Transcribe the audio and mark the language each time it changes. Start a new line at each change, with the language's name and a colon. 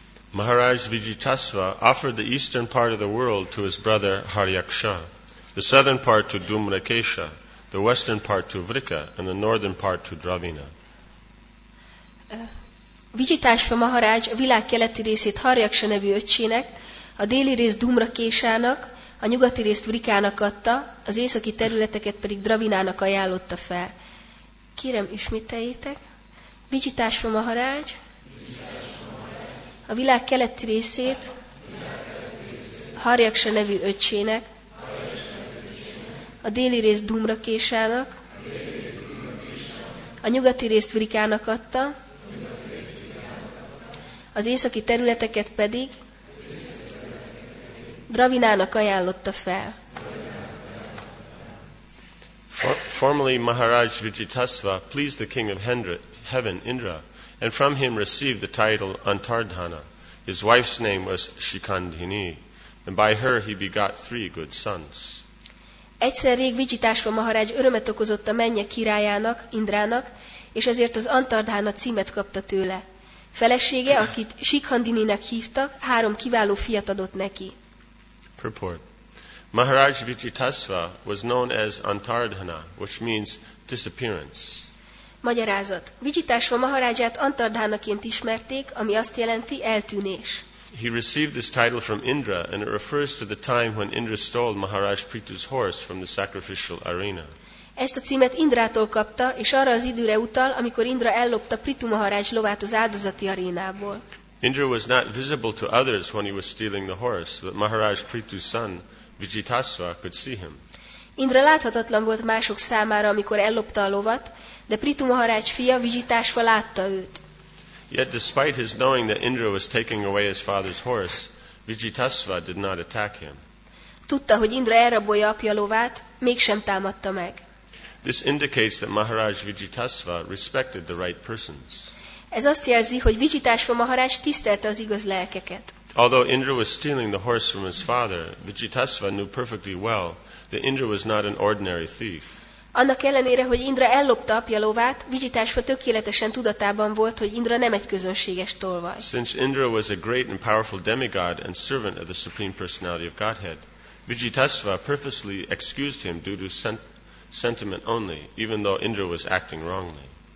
English: Maharaj Vijitasva offered the eastern part of the world to his brother Haryaksha, the southern part to Dumrakesha, the western part to Vrika, and the northern part to Dravina.
Hungarian: Vijitasva Maharaj a világ keleti részét Haryaksha nevű öccsének, a déli részt Dumrakeshának, a nyugati részt Vrikának adta, az északi területeket pedig Dravinának ajánlotta fel. Kérem, ismételjétek. Vijitasva Maharaj a világ keleti részét Haryaksha nevű öccsének, a déli részt Dumrakeshának, a nyugati részt Vrikának adta, az északi területeket pedig Dravinának ajánlotta fel.
English: Formerly Maharaj Vijitasva pleased the king of heaven, Indra, and from him received the title Antardhana. His wife's name was Shikandhini, and by her he begot three good sons.
Hungarian: Egyszer rég Vijitasva Maharaj örömet okozott a mennyek királyának, Indrának, és ezért az Antardhana címet kapta tőle. Felesége, akit Shikandhininek hívtak, három kiváló fiat adott neki.
English: Purport. Maharaj Vijitasva was known as Antardhana, which means disappearance.
Hungarian: Magyarázat. Vijitasva Maharajat Antardhanaként ismerték, ami azt jelenti eltűnés.
English: He received this title from Indra, and it refers to the time when Indra stole Maharaj Prithu's horse from the sacrificial arena.
Hungarian: Ezt a címet Indrától kapta, és arra az időre utal, amikor Indra ellopta Prithu Maharaj lovát az áldozati arénából.
English: Indra was not visible to others when he was stealing the horse, but Maharaj Prithu's son, Vijitasva, could see him.
Hungarian: Indra láthatatlan volt mások számára, amikor ellopta a lovat, de Pritu Maharaj fia vigyításva látta őt.
English: Yet despite his knowing that Indra was taking away his father's horse, Vijitasva did not attack him.
Hungarian: Tudta, hogy Indra elrabolja apja lovát, mégsem támadta meg.
English: This indicates that Maharaj Vijitasva respected the right persons.
Hungarian: Ez azt jelzi, hogy Vijitasva Maharaj tisztelte az igaz lelkeket.
English: Although Indra was stealing the horse from his father, Vijitasva knew perfectly well that Indra was not an ordinary thief.
Hungarian: Annak ellenére, hogy Indra ellopta apja lovát, Vijitasva tökéletesen tudatában volt, hogy Indra nem egy közönséges tolvaj.
English: Since Indra was a great and powerful demigod and servant of the Supreme Personality of Godhead, Vijitasva purposely excused him due to sentiment only, even though Indra was acting wrongly.